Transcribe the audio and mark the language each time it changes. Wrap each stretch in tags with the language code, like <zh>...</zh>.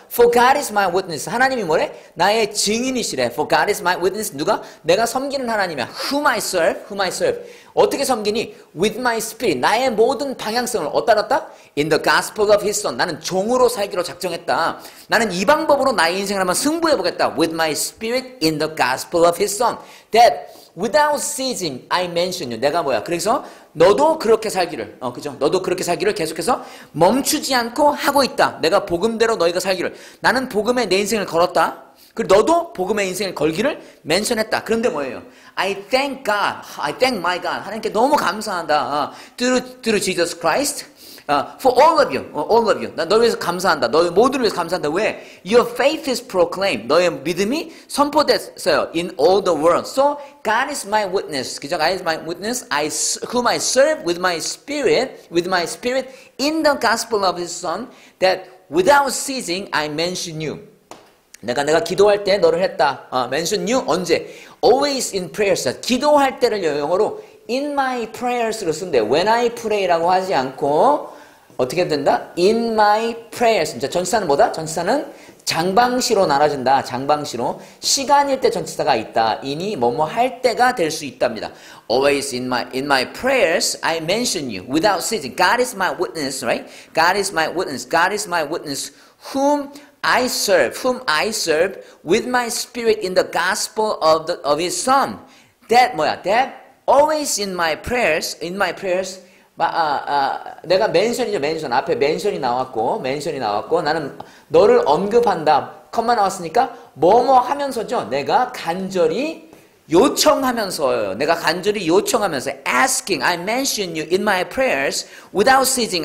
<en>For God is my witness.</en> <ko>하나님이 뭐래? 나의 증인이시래.</ko> <en>For God is my witness.</en> <ko>누가? 내가 섬기는 하나님이야.</ko> <en>Whom I serve. Whom I serve.</en> <ko>어떻게 섬기니?</ko> <en>With my spirit.</en> <ko>나의 모든 방향성을 어디다 놨다?</ko> <en>In the gospel of his son.</en> <ko>나는 종으로 살기로 작정했다. 나는 이 방법으로 나의 인생을 한번 승부해보겠다.</ko> <en>With my spirit in the gospel of his son. That without ceasing I mention you.</en> <ko>내가 뭐야? 그래서 너도 그렇게 살기를 그죠? 너도 그렇게 살기를 계속해서 멈추지 않고 하고 있다. 내가 복음대로 너희가 살기를 나는 복음에 내 인생을 걸었다. 그리고 너도 복음에 인생을 걸기를 멘션했다. 그런데 뭐예요?</ko> <en>I thank God. I thank my God.</en> <ko>하나님께 너무 감사한다.</ko> <en>Through Jesus Christ. For all of you, all of you.</en> <ko>나 너를 위해서 감사한다. 너희 모두를 위해서 감사한다. 왜?</ko> <en>Your faith is proclaimed.</en> <ko>너의 믿음이 선포됐어요.</ko> <en>In all the world. So God is my witness.</en> <ko>그죠?</ko> <en>God is my witness. I whom I serve with my spirit in the gospel of His Son, that without ceasing I mention you.</en> <ko>내가 기도할 때 너를 했다.</ko> <en>Mention you</en> <ko>언제?</ko> <en>Always in prayers.</en> <ko>기도할 때를 영어로</ko> <en>in my prayers로 쓴대. When I pray</en> <ko>라고 하지 않고 어떻게 된다?</ko> <en>In my prayers.</en> <ko>자, 전치사는 뭐다? 전치사는 장방시로 나눠진다. 장방시로 시간일 때 전치사가 있다. 이니 뭐뭐 할 때가 될 수 있답니다.</ko> <en>Always in my prayers I mention you without ceasing. God is my witness, right? God is my witness. God is my witness whom I serve with my spirit in the gospel of his son. That</en> <ko>뭐야?</ko> <en>That always in my prayers</en> <ko>내가</ko> <en>mention이죠.</en> <ko>mention 앞에 mention이 나왔고 mention이 나왔고 나는 너를 언급한다. 컴마 나왔으니까 뭐뭐 하면서죠. 내가 간절히 요청하면서요. 내가 간절히 요청하면서 asking.</ko> <en>I mention you in my prayers without ceasing.</en>